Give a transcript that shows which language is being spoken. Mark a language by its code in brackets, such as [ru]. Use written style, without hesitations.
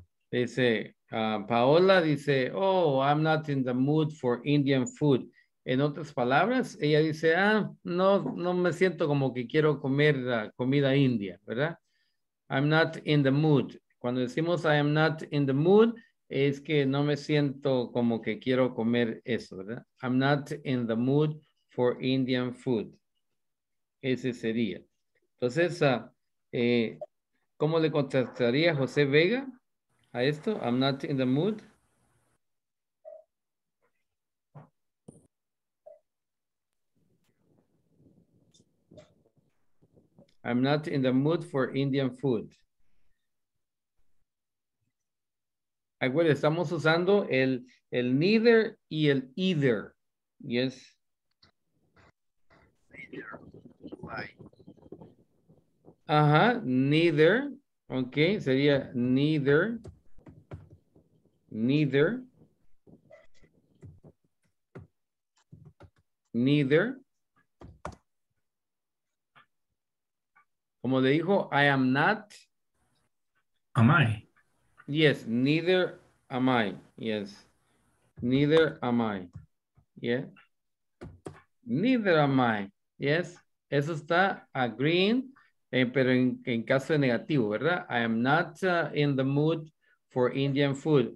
[es] Dice, Paola dice, [en] oh, I'm not in the mood for Indian food. [es] En otras palabras, ella dice, no me siento como que quiero comer la comida india, ¿verdad? [en] I'm not in the mood. [es] Cuando decimos [en] I am not in the mood, [es] es que no me siento como que quiero comer eso, ¿verdad? [en] I'm not in the mood for Indian food. [es] Ese sería. Entonces, ¿cómo le contestaría José Vega a esto? [en] I'm not in the mood. I'm not in the mood for Indian food. [es] Acuérdense, estamos usando el neither y el either. [en] Yes. Ajá, neither. Ok, sería neither. Neither. Neither. [es] Como le dijo, [en] I am not. Am I? Yes, neither am I. Yes. Neither am I. Yeah. Neither am I. Yes. [es] Eso está agreeing, pero en caso de negativo, ¿verdad? [en] I am not in the mood for Indian food.